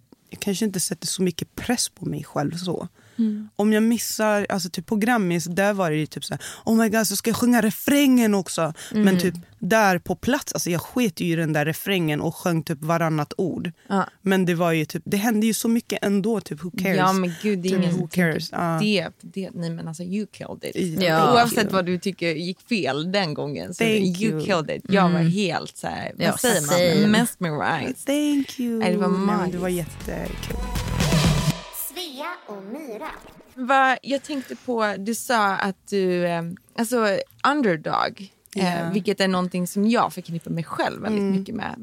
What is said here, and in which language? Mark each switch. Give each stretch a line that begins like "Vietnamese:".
Swedish: Jag kanske inte sätter så mycket press på mig själv så. Mm. Om jag missar, alltså typ på Grammys, där var det ju typ så här,
English: oh my god,
Swedish: så ska jag sjunga refrängen också. Mm. Men typ där på plats, alltså jag sket ju i den där refrängen och sjöng typ varannat ord. Men det var ju typ, det hände ju så mycket ändå, typ
English: who cares?
Swedish: Ja, men gud, det är typ, ingen
English: who cares.
Swedish: Det, nej, men alltså
English: you killed it.
Swedish: Ja. Oavsett vad du tycker gick fel den gången, så
English: you killed it.
Swedish: Jag var helt så här, vad säger man?
English: Mesmerized. Thank you.
Swedish: Nej, det var magiskt. Det var jättekul. Och Mira. Jag tänkte på, du sa att du, alltså underdog, vilket är någonting som jag förknippar mig själv väldigt mycket med.